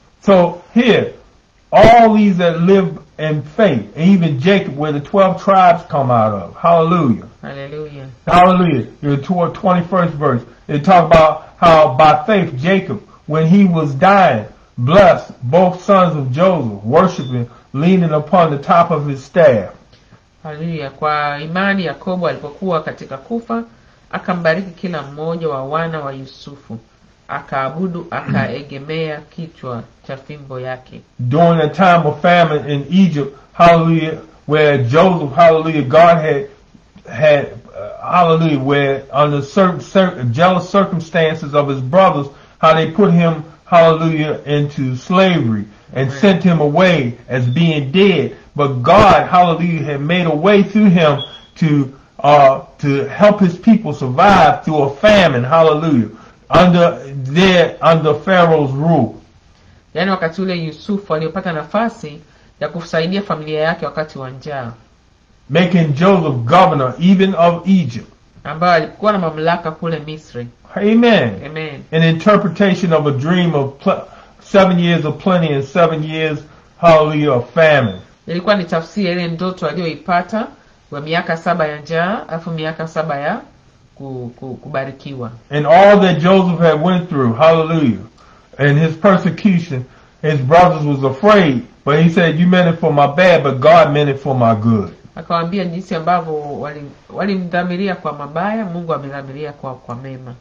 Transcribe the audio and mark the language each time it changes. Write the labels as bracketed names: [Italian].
[English] So here, all these that live in faith, even Jacob, where the 12 tribes come out of. Hallelujah. Hallelujah. Hallelujah. The 21st verse, it talks about how by faith Jacob, when he was dying, blessed both sons of Joseph, worshiping, leaning upon the top of his staff. Hallelujah. [Swahili] Kwa imani Yakobo alipokuwa katika kufa, akambariki kila mmoja wa wana wa Yusufu. Akaabudu, akaegemea kichwa cha fimbo yake. [English] During the time of famine in Egypt, hallelujah, where Joseph, hallelujah, God had hallelujah, where under certain jealous circumstances of his brothers, how they put him, hallelujah, into slavery and right. Sent him away as being dead. But God, hallelujah, had made a way through him to help his people survive through a famine, hallelujah. Under Pharaoh's rule. [Swahili] Yani wakati ule Yusuf aliyopata nafasi ya kusaidia familia yake wakati wa njaa. [English] Making Joseph governor even of Egypt. [Swahili] Ambaye alikuwa na mamlaka kule Misri. [English] Amen. Amen. An interpretation of a dream of 7 years of plenty and 7 years, hallelujah, of famine. [Swahili] Ilikuwa ni tafsiri ya ile ndoto aliyoipata wa miaka 7 ya njaa alafu miaka 7 ya kubarikiwa. [English] And all that Joseph had went through, hallelujah, and his persecution, his brothers was afraid, but he said, you meant it for my bad, but God meant it for my good. [Swahili] Akawaambia jinsi ambavyo walimdhamiria kwa mabaya, Mungu amedhamiria kwa mema.